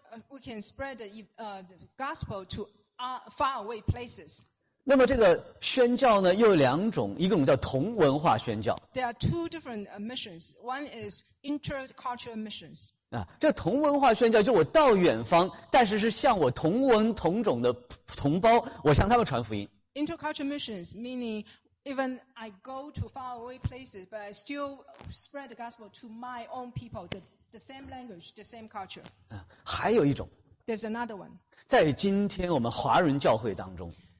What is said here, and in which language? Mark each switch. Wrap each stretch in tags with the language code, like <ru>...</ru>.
<en>We can spread the gospel to far away places.</en> <zh>那么这个宣教呢，又有两种，一种叫同文化宣教。</zh> <en>There are two different missions. One is intercultural missions.</en> <zh>这同文化宣教就是我到远方，但是是向我同文同种的同胞，我向他们传福音。</zh> <en>Intercultural missions meaning even I go to far away places, but I still spread the gospel to my own people. The same language, the same culture.</en> <zh>还有一种。</zh> <en>There's another one.</en> <zh>在今天我们华人教会当中。</zh>